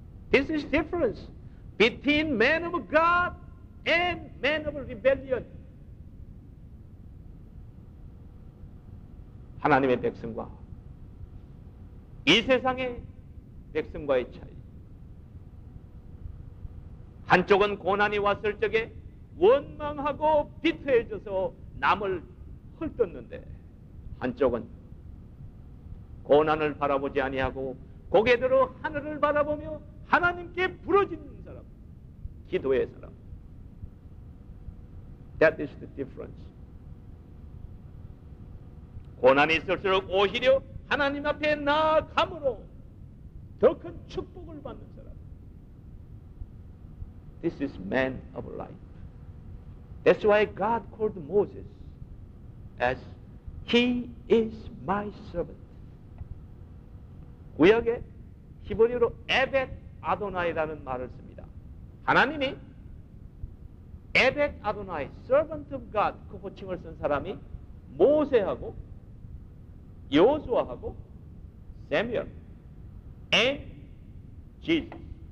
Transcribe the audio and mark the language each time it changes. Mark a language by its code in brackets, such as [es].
[en] This is difference between man of God and man of rebellion. [ko] 하나님의 백성과 이 세상의 백성과의 차이. 한쪽은 고난이 왔을 적에 원망하고 비트해져서 남을 헐뜯는데 한쪽은 고난을 바라보지 아니하고 고개 들어 하늘을 바라보며 하나님께 부르짖는 사람, 기도의 사람. [en] That is the difference. [ko] 고난이 있을수록 오히려 하나님 앞에 나아감으로 더 큰 축복을 받는 사람. [en] This is man of life. That's why God called Moses as he is my servant. [ko] 구약에 히브리어로 에벳 아도나이라는 말을 씁니다. 하나님이 에벳 아도나이, [en] servant of God [ko] 그 호칭을 쓴 사람이 모세하고 여호수아하고 사무엘 and Jesus.